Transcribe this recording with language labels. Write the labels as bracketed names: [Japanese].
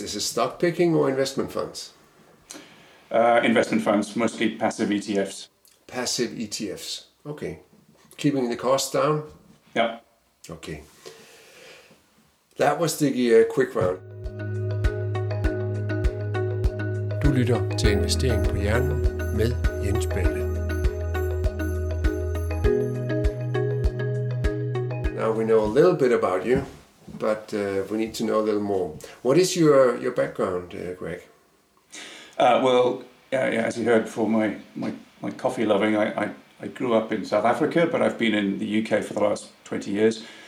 [English] Is it stock picking or investment funds? Investment funds, mostly passive ETFs. Passive ETFs. Okay. Keeping the costs down? Yeah. Okay. That was the quick round. [Danish] Du lytter til Investering på Hjernen med Jens Bælle. [English] Now we know a little bit about you, but we need to know a little more. What is your background, Greg? As you heard before, my coffee loving, I grew up in South Africa, but I've been in the UK for the last 20 years.